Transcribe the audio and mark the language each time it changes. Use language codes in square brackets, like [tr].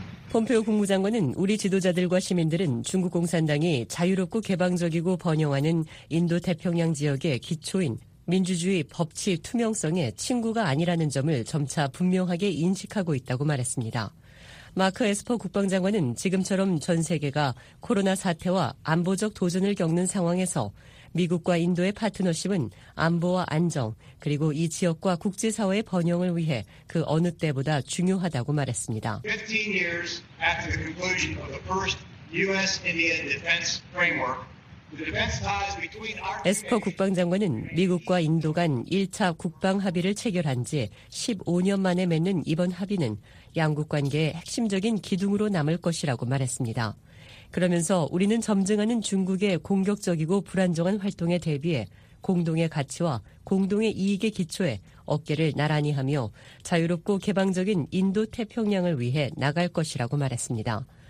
[ko] 폼페오 국무장관은 우리 지도자들과 시민들은 중국 공산당이 자유롭고 개방적이고 번영하는 인도 태평양 지역의 기초인 민주주의, 법치, 투명성의 친구가 아니라는 점을 점차 분명하게 인식하고 있다고 말했습니다. 마크 에스퍼 국방장관은 지금처럼 전 세계가 코로나 사태와 안보적 도전을 겪는 상황에서 미국과 인도의 파트너십은 안보와 안정, 그리고 이 지역과 국제사회의 번영을 위해 그 어느 때보다 중요하다고 말했습니다. [en] 15년 after the conclusion of the first U.S.-India defense framework, the defense ties between our nations. [ko] 에스퍼 국방장관은 미국과 인도 간 1차 국방 합의를 체결한 지 15년 만에 맺는 이번 합의는 양국 관계의 핵심적인 기둥으로 남을 것이라고 말했습니다. 그러면서 우리는 점증하는 중국의 공격적이고 불안정한 활동에 대비해 공동의 가치와 공동의 이익에 기초해 어깨를 나란히 하며 자유롭고 개방적인 인도 태평양을 위해 나갈 것이라고 말했습니다.